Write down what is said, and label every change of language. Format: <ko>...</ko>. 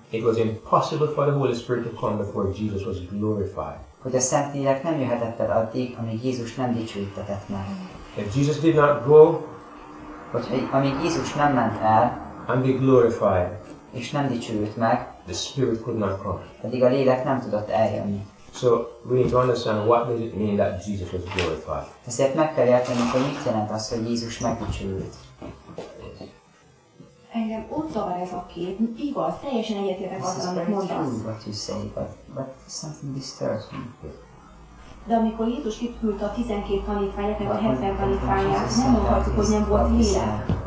<en>It was impossible for the Holy Spirit to come before Jesus was glorified.</en> <hu>Hogy a Szent Lélek nem jöhetett el addig, amíg Jézus nem dicsőítetett meg.</hu> <en>If Jesus did not go,</en> <hu>amíg Jézus nem ment el,</hu> <en>and be glorified,</en> <hu>és nem dicsőült meg,</hu> <en>the Spirit could not come.</en> <hu>Pedig a lélek nem tudott eljönni.</hu> <en>So we need to understand what does it mean that Jesus was glorified.</en> <hu>Ezért meg kell értenünk, hogy mit jelent az, hogy Jézus megdicsőült. Engem ott zavar ez a kép. Igaz, teljesen egyetértek azzal, amit mondasz.</hu> <en>This is very true what you say, but something disturbs me.</en> <hu>De amikor Jézus kiküldte a 12 tanítványát, meg a 70 tanítványát, nem mondhatjuk, hogy nem volt lélek.</hu>